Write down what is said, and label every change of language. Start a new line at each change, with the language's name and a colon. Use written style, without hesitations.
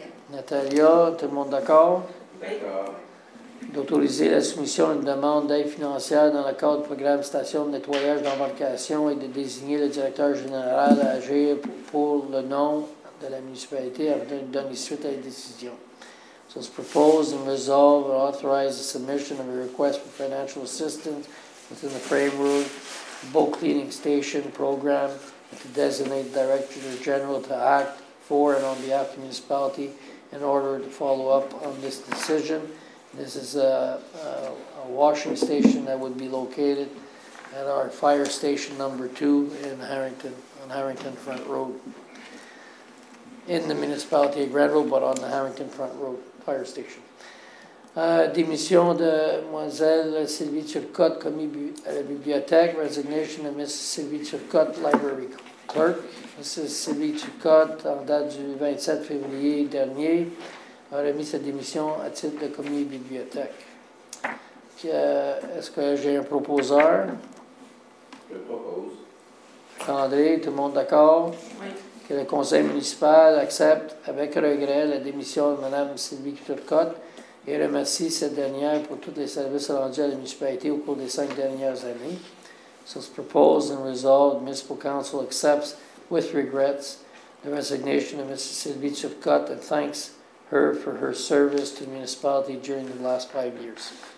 French: Natalia, tout le monde d'accord? D'accord. D'autoriser la soumission d'une demande d'aide financière dans le cadre du programme Station de nettoyage d'embarcation et de désigner le directeur général à agir pour le nom de la municipalité afin de donner suite à la décision.
English: So it's proposed and resolved and authorize the submission of a request for financial assistance within the framework Boat Cleaning Station Program to designate Director General to act for and on behalf of the municipality in order to follow up on this decision. This is a washing station that would be located at our fire station number 2 in Harrington, on Harrington Front Road. in the municipality of Granville, but on the Harrington Front Road fire station.
French: Démission de Mlle Sylvie Turcotte, commis à la bibliothèque.
English: Resignation of Mrs. Sylvie Turcotte, library clerk. Mrs.
French: Sylvie Turcotte, en date du 27 février dernier, a remis sa démission à titre de commis bibliothèque. Est-ce que j'ai un proposeur? Je propose. Jean-André, tout le monde d'accord? Oui. Que le conseil municipal accepte avec regret la démission de Mme Sylvie Turcotte et remercie cette dernière pour tous les services rendus à la municipalité au cours des 5 dernières années.
English: So it's proposed and resolved. Municipal Council accepts with regrets the resignation of Mrs. Sylvie Turcotte and thanks her for her service to the municipality during the last 5 years.